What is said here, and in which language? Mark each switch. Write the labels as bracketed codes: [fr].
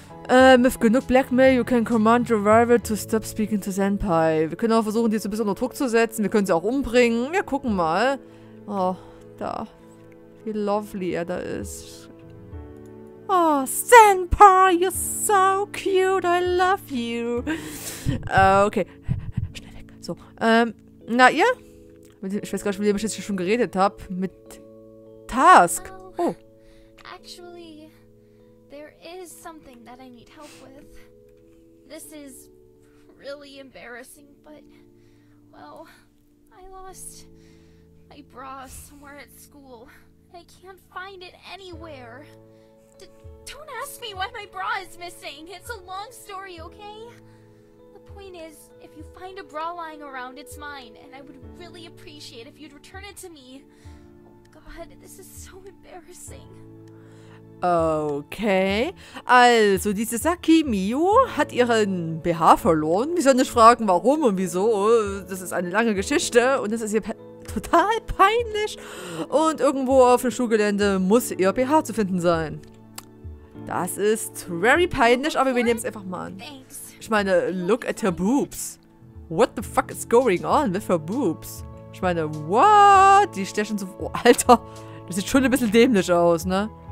[en] With genug Blackmail, you can command your rival to stop speaking to Senpai. [de] Wir können auch versuchen, die so ein bisschen unter Druck zu setzen. Wir können sie auch umbringen. Wir gucken mal. Oh, da. Wie lovely er da ist. [en] Oh, Senpai, you're so cute. I love you. Okay. [de] Schnell weg. [en] So. [de] Na, ihr? Ich weiß gar nicht, mit dem ich jetzt schon geredet habe. Mit Task. Oh. [en] Actually, there is something that I need help with. This is really embarrassing, but well, I lost my bra somewhere at school. I can't find it anywhere. Don't ask me why my bra is missing. It's a long story, okay? Point is, if you find a bra lying around, it's mine, and I would really appreciate if you'd return it to me. Oh God, this is so embarrassing. [de] Okay, also diese Saki Miyu hat ihren BH verloren. Wir sollen nicht fragen, warum und wieso. Das ist eine lange Geschichte und es ist ihr total peinlich. Und irgendwo auf dem Schulgelände muss ihr BH zu finden sein. Das ist very peinlich, aber wir nehmen es einfach mal an. Ich meine, [en] look at her boobs. What the fuck is going on with her boobs? [de] Ich meine, what? Die stechen so... Oh, Alter. Das sieht schon ein bisschen dämlich aus, ne?